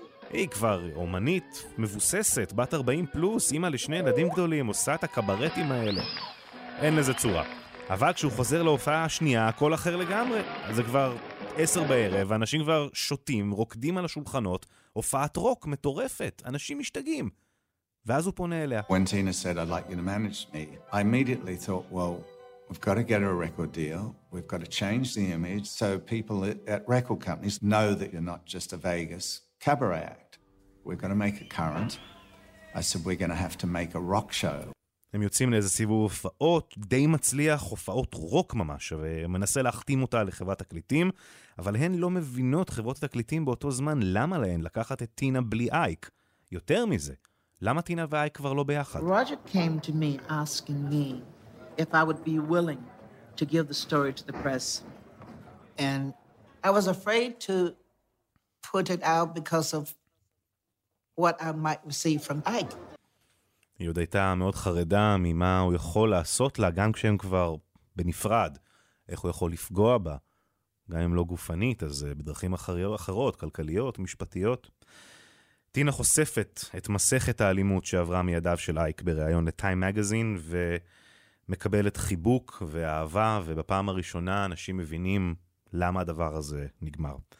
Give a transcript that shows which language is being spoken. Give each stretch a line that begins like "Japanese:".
Hebrew: היא כבר אומנית, מבוססת, בת 40 פלוס, אמא לשני ילדים גדולים, עושה את הקברטים האלה. אין לזה צורה. אבל כשהוא חוזר להופעה השנייה, הכל אחר לגמרי. זה כבר 22:00, ואנשים כבר שותים, רוקדים על השולחנות, הופעת רוק מטורפת, אנשים משתגעים. ואז הוא פונה אליה.
English: When Tina said I'd like you to manage me, I immediately thought, well, we've got to get a record deal, we've got to change the image, so people at record companies know that you're not just a Vegas cabaret act. We've got to make a current. I said, we're going to have to make a rock show.
Hebrew: הם יוצאים לאיזה סיבוב הופעות, די מצליח, הופעות רוק ממש, ומנסה להחתים אותה לחברת תקליטים, אבל הן לא מבינות חברות התקליטים באותו זמן למה להן לקחת את טינה בלי אייק. יותר מזה, למה טינה ואייק כבר לא ביחד?
English: Roger came to me asking me if I would be willing to give the story to the press. And I was afraid to put it out because of what I might receive from Ike.
Hebrew: היא עוד הייתה מאוד חרדה ממה הוא יכול לעשות לה, גם כשהם כבר בנפרד, איך הוא יכול לפגוע בה, גם אם לא גופנית, אז בדרכים אחרות, כלכליות, משפטיות. טינה חושפת את מסכת האלימות שעברה מידיו של אייק בריאיון לטיים מגזין, ומקבלת חיבוק ואהבה, ובפעם הראשונה אנשים מבינים למה הדבר הזה נגמר.